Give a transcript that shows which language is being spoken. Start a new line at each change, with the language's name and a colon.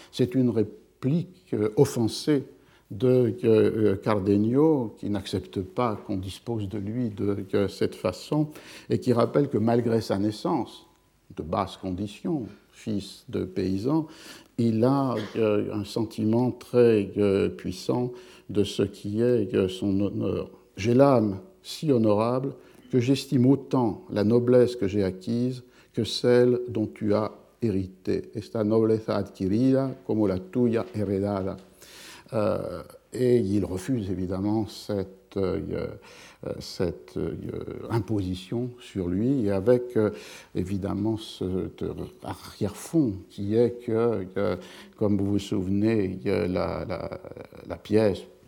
French: C'est une réplique offensée de Cardenio, qui n'accepte pas qu'on dispose de lui de cette façon, et qui rappelle que malgré sa naissance, de basse condition, fils de paysan, il a un sentiment très puissant de ce qui est son honneur. « J'ai l'âme si honorable que j'estime autant la noblesse que j'ai acquise que celle dont tu as hérité.
Spanish: Esta nobleza adquirida como la tuya heredada.
French: » Et il refuse évidemment cette imposition sur lui, et avec évidemment ce arrière-fond qui est que comme vous vous souvenez, la pièce